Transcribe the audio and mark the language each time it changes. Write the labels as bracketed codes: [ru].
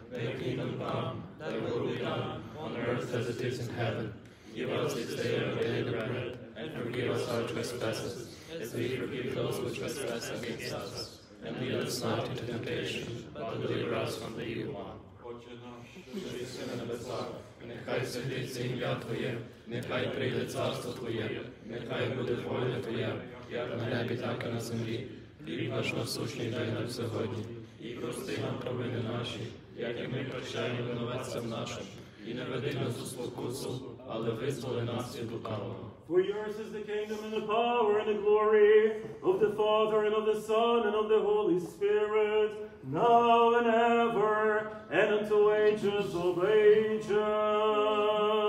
[en] Thy kingdom come, thy will be done, on earth as it is in heaven. Give us this day our daily bread, and forgive us our trespasses, as we forgive those who trespass against us. And lead us not into temptation, but deliver us from the evil one. [uk] Отче наш, що єси на небесах, нехай святиться ім'я Твоє, нехай прийде царство Твоє, нехай буде воля Твоя, як на небі, так і на землі. Хліб наш насущний дай нам сьогодні, і прости нам провини наші, як і ми прощаємо винуватцям нашим. І не веди нас у спокусу, але визволи нас від лукавого. [en] For yours is the kingdom and the power and the glory of the Father and of the Son and of the Holy Spirit, now and ever, and unto ages of ages.